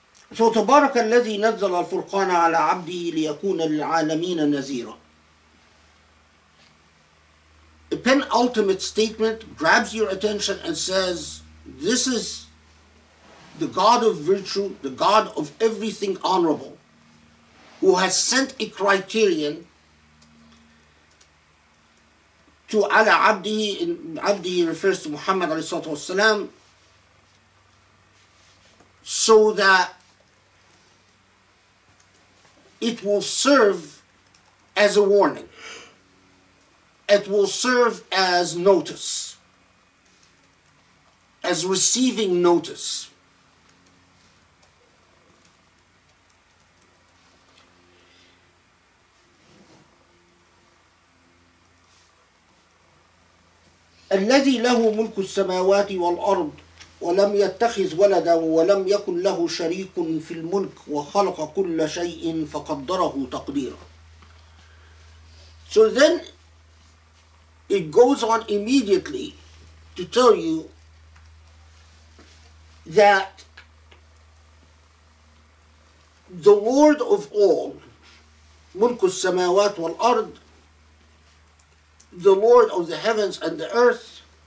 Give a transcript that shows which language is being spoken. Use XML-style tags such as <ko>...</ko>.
<ar>So تبارك الذي نزل الفرقان على عبده ليكون للعالمين نذيرا.</ar> <en>A penultimate statement grabs your attention and says, this is the God of virtue, the God of everything honorable. who has sent a criterion to Ala Abdi, and Abdi refers to Muhammad alayhi salatu wasalam, so that it will serve as a warning. It will serve as notice, as receiving notice.</en> <ar>الذي له ملك السماوات والأرض ولم يتخذ ولدا ولم يكن له شريك في الملك وخلق كل شيء فقدره تقديرا.</ar> <en>So then it goes on immediately to tell you that the Lord of all,</en> <ar>ملك السماوات والأرض,</ar> <en>the Lord of the heavens and the earth,</en>